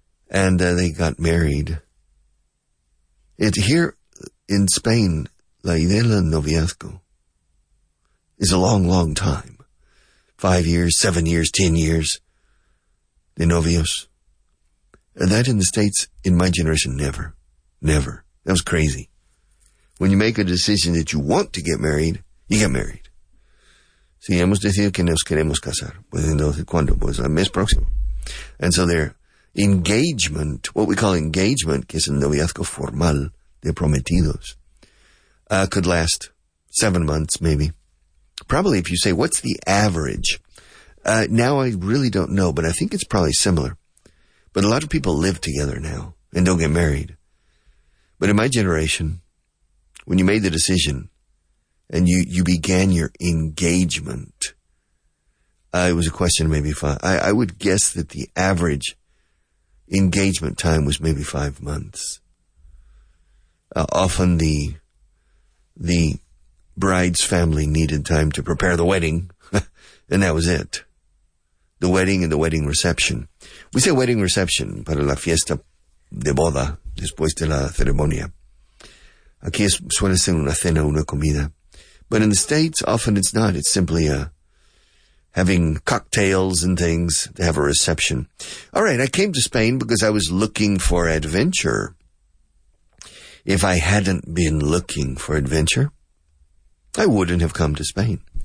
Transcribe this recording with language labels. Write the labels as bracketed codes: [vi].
[en] And they got married. It here in Spain, [es] la idea del noviazgo [en] is a long, long time. 5 years, 7 years, 10 years. [es] De novios. [en] And that in the States, in my generation, never. Never. That was crazy. When you make a decision that you want to get married, you get married. [es] Si hemos decidido que nos queremos casar, pues entonces, ¿cuándo? Pues el mes próximo. [en] And so their engagement, what we call engagement, [es] que es el noviazgo formal de prometidos, [en] could last 7 months, maybe. Probably if you say, what's the average? Now I really don't know, but I think it's probably similar. But a lot of people live together now and don't get married. But in my generation, when you made the decision and you began your engagement, it was a question of maybe five. I would guess that the average engagement time was maybe 5 months. Often the bride's family needed time to prepare the wedding, and that was it. The wedding and the wedding reception. We say wedding reception [es] para la fiesta de boda después de la ceremonia. Aquí suele ser una cena, una comida. [en] But in the States, often it's not. It's simply having cocktails and things to have a reception. All right, I came to Spain because I was looking for adventure. If I hadn't been looking for adventure, I wouldn't have come to Spain.